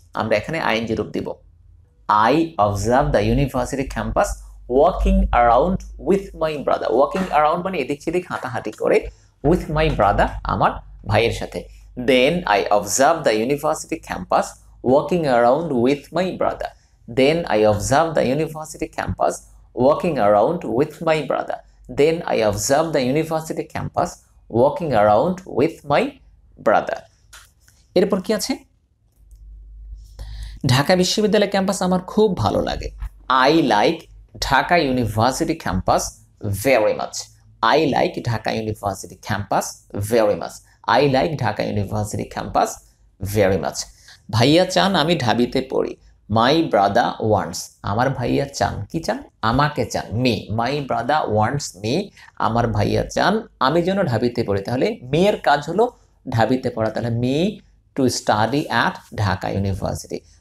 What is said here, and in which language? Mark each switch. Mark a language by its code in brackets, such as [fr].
[bn] আমরা এখানে আইএনজি রূপ দিব, [en] I observe the university campus walking around with my brother. Walking around [bn] মানে এদিক সেদিক হাঁটাহাঁটি করে, [en] with my brother [bn] আমার ভাইয়ের সাথে. [en] Then I observe the university campus walking around with my brother. Then I observe the university campus walking around with my brother. Then I observe the university campus walking around with my brother. [bn] এরপর কি আছে? ঢাকা বিশ্ববিদ্যালয় campus আমার খুব ভালো লাগে. [en] I like Dhaka University campus very much. I like Dhaka University campus very much. I like Dhaka University campus very much. [bn] ভাইয়া চান আমি ঢাবিতে পড়ি. [en] my brother wants, [bn] আমার ভাইয়া চান, কি চান? আমাকে চান, me. [en] my brother wants me, [bn] আমার ভাইয়া চান আমি যেন ঢাবিতে পড়ি. তাহলে মি এর কাজ হলো ঢাবিতে পড়া, তাহলে [en] Me to study at Dhaka University.